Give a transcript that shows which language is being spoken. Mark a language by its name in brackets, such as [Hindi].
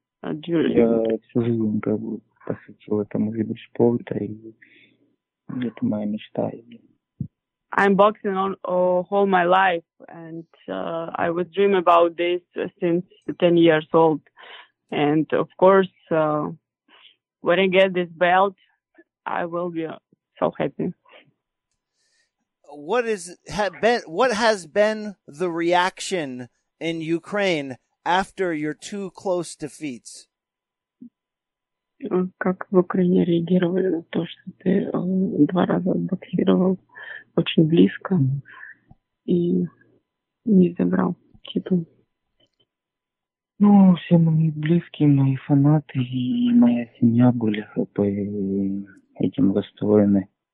[Russian] Я всю жизнь посвятил этому виду спорта, и это моя мечта. [English] I'm boxing all my life, and I was dreaming about this since 10 years old. And of course, when I get this belt, I will be so happy. What has been the reaction in Ukraine after your two close defeats? [Ukrainian] Как в Україні реагували на те, що ти два рази боксував дуже близько і не забрав титул? Ну, всі мої близькі, мої фанати і моя сім'я були готові цим розстроєні.